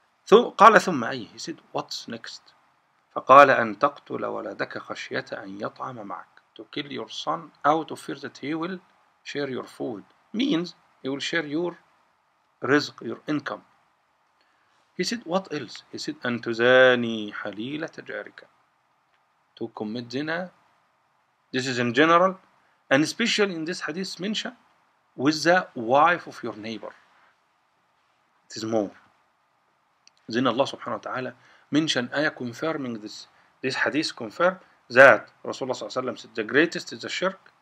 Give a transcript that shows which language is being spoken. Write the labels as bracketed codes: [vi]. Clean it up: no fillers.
[ar] قَالَ ثُمَّ أَيْهِ. [en] He said, what's next? [ar] فَقَالَ أَنْ تَقْتُلَ وَلَدَكَ خَشْيَةَ أَنْ يَطْعَمَ مَعَكَ. [en] To kill your son out of fear that he will share your food. Means, he will share your rizq, your income. He said, what else? [ar] He said, أن تزاني حليلة جارك. [en] To commit zina. This is in general. And especially in this hadith mention, with the wife of your neighbor. It is more. Zina Allah subhanahu wa ta'ala mention ayah confirming this. This hadith confirm that Rasulullah s.a.w. said, the greatest is the shirk.